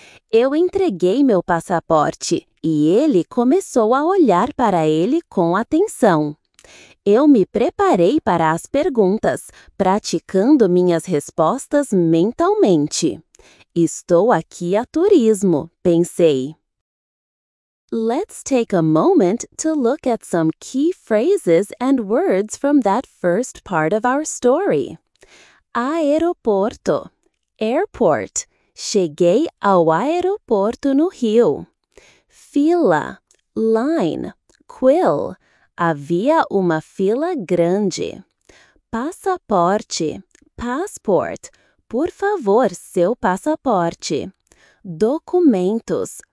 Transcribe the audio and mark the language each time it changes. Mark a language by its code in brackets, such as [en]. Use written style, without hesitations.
[pt] Eu entreguei meu passaporte e ele começou a olhar para ele com atenção. Eu me preparei para as perguntas, praticando minhas respostas mentalmente. Estou aqui a turismo, pensei. [en] Let's take a moment to look at some key phrases and words from that first part of our story. [pt] Aeroporto. Airport. Cheguei ao aeroporto no Rio. Fila. Line. Quill. Havia uma fila grande. Passaporte. Passport. Por favor, seu passaporte. Documentos.